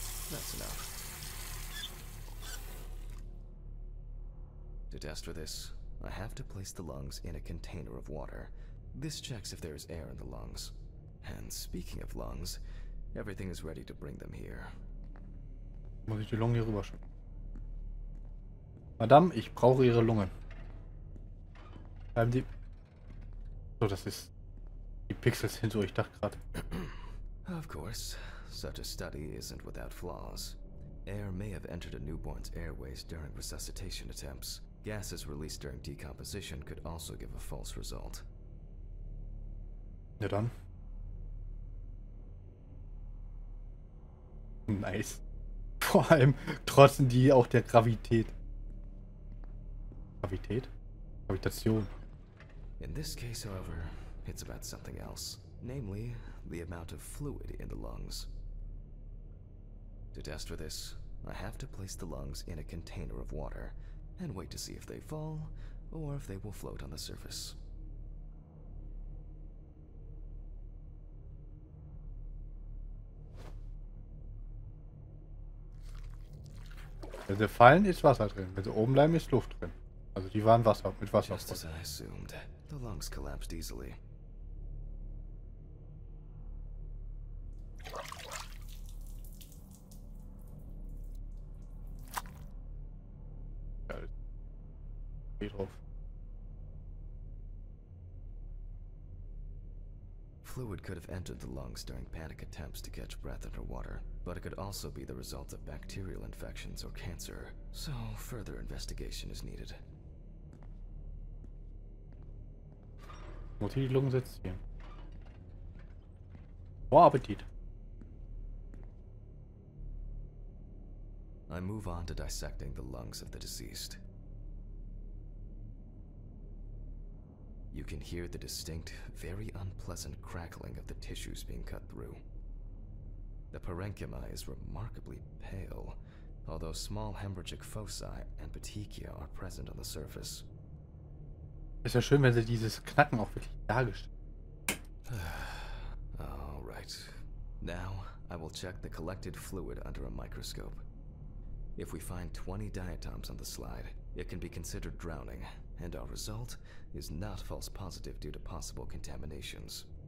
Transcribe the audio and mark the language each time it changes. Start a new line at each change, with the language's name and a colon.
English: That's enough. To test for this, I have to place the lungs in a container of water. This checks if there is air in the lungs. And speaking of lungs, everything is ready to bring them here.
German: Muss ich die Lungen hier rüber schicken? Madame, ich brauche Ihre Lungen. Bleiben Sie. So, das ist die Pixels hin, so ich dachte gerade.
English: Of course, such a study isn't without flaws. Air may have entered a newborn's airways during resuscitation attempts. Gases released during decomposition could also give a false result.
German: Ja dann.
English: Nice.
German: Vor allem trotzen die auch der Gravität. Gravitation.
English: In this case, however, It's about something else. Namely, the amount of fluid in the lungs. To test for this, I have to place the lungs in a container of water and wait to see if they fall or if they will float on the surface.
German: Wenn sie fallen, ist Wasser drin. Wenn sie oben bleiben, ist Luft drin. Also die waren Wasser, mit Wasser.
English: Just as I assumed, the lungs collapsed easily. Fluid could have entered the lungs during panic attempts to catch breath underwater, but it could also be the result of bacterial infections or cancer, so further investigation is needed.
German: Muss ich die Lungen setzen? Boah, Appetit!
English: I move on to dissecting the lungs of the deceased. You can hear the distinct, very unpleasant crackling of the tissues being cut through. The parenchyma is remarkably pale, although small hemorrhagic foci and petechia are present on the surface.
German: Ist ja schön, wenn sie dieses Knacken auch wirklich dargestellt.
English: All right. Now, I will check the collected fluid under a microscope. If we find 20 diatoms on the slide, it can be considered drowning. And our result is not false positive due to possible contaminations.